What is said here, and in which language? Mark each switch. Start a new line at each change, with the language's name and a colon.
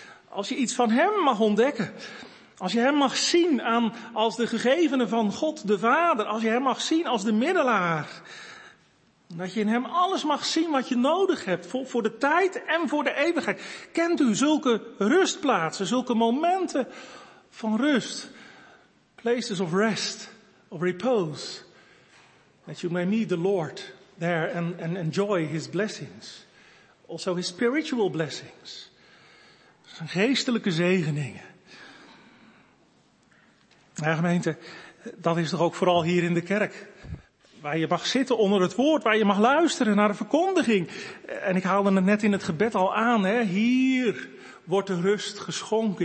Dutch: Als je iets van hem mag ontdekken. Als je hem mag zien als de gegevene van God de Vader. Als je hem mag zien als de middelaar. Dat je in hem alles mag zien wat je nodig hebt voor de tijd en voor de eeuwigheid. Kent u zulke rustplaatsen, zulke momenten van rust?
English: Places of rest, of repose. That you may meet the Lord there and enjoy his blessings. Also his spiritual blessings.
Dutch: Zijn geestelijke zegeningen. Ja, gemeente, dat is toch ook vooral hier in de kerk. Waar je mag zitten onder het woord, waar je mag luisteren naar de verkondiging. En ik haalde het net in het gebed al aan, hè. Hier wordt de rust geschonken.